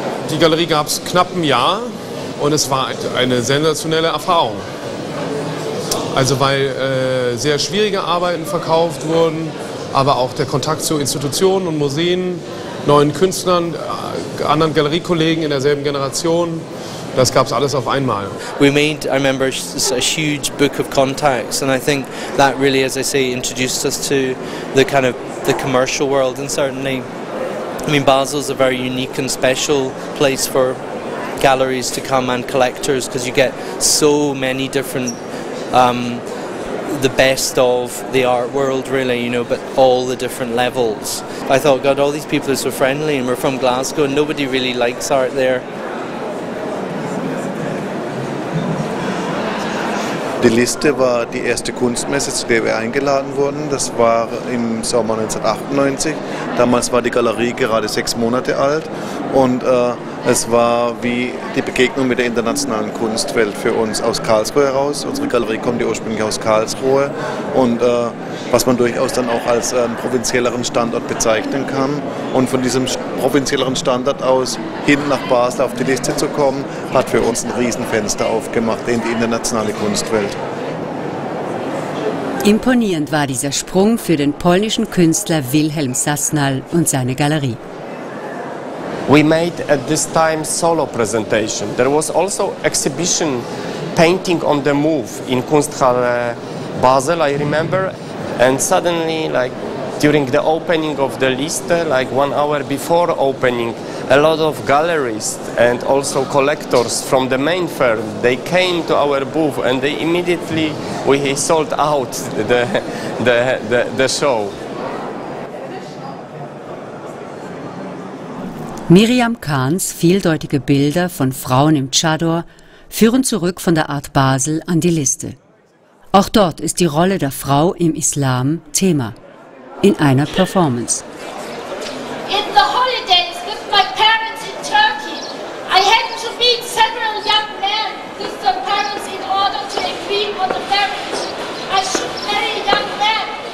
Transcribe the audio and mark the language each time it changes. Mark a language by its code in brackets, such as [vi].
[de] Die Galerie gab es knapp ein Jahr und es war eine sensationelle Erfahrung. Also weil sehr schwierige Arbeiten verkauft wurden, aber auch der Kontakt zu Institutionen und Museen, neuen Künstlern, anderen Galeriekollegen in derselben Generation, das gab's alles auf einmal. [en] We made, I remember, a huge book of contacts, and I think that really, as I say, introduced us to the kind of the commercial world. And certainly, I mean, Basel's a very unique and special place for galleries to come and collectors, because you get so many different, the best of the art world, really, you know, but all the different levels. I thought, God, all these people are so friendly, and we're from Glasgow, and nobody really likes art there. [de] Die Liste war die erste Kunstmesse, zu der wir eingeladen wurden. Das war im Sommer 1998. Damals war die Galerie gerade 6 Monate alt. Und es war wie die Begegnung mit der internationalen Kunstwelt für uns aus Karlsruhe heraus. Unsere Galerie kommt ja ursprünglich aus Karlsruhe. Und was man durchaus dann auch als provinzielleren Standort bezeichnen kann. Und von diesem provinzielleren Standort aus hin nach Basel auf die Liste zu kommen, hat für uns ein Riesenfenster aufgemacht in die internationale Kunstwelt. Imponierend war dieser Sprung für den polnischen Künstler Wilhelm Sasnal und seine Galerie. [en] We made at this time solo presentation. There was also exhibition painting on the move in Kunsthalle Basel, I remember. And suddenly, like during the opening of the Liste, like 1 hour before opening, a lot of galleries and also collectors from the main fair, they came to our booth and they immediately we sold out the show. [de] Miriam Kahns vieldeutige Bilder von Frauen im Tschador führen zurück von der Art Basel an die Liste. Auch dort ist die Rolle der Frau im Islam Thema. In einer Performance. [en] In the holidays with my parents in Turkey, I had to meet several young men with their parents in order to agree on the marriage. I should marry young men.